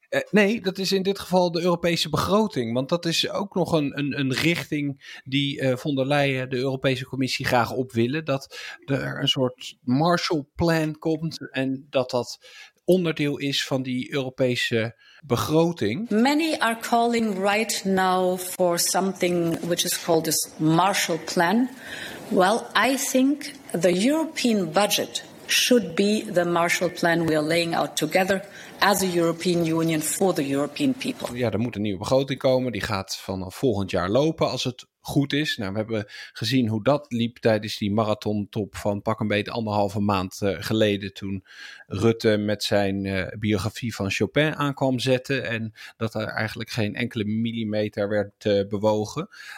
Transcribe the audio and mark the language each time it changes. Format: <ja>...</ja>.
<nl>Nee, dat is in dit geval de Europese begroting. Want dat is ook nog een richting die von der Leyen, de Europese Commissie, graag op willen. Dat er een soort Marshall Plan komt en dat dat onderdeel is van die Europese begroting.</nl> <en>Many are calling right now for something which is called this Marshall Plan. Well, I think the European budget should be the Marshall Plan we are laying out together as a European Union for the European people.</en> <nl>Ja, er moet een nieuwe begroting komen. Die gaat vanaf volgend jaar lopen als het goed is. Nou, we hebben gezien hoe dat liep tijdens die marathontop van pak een beet anderhalve maand geleden toen Rutte met zijn biografie van Chopin aankwam zetten en dat er eigenlijk geen enkele millimeter werd bewogen.</nl>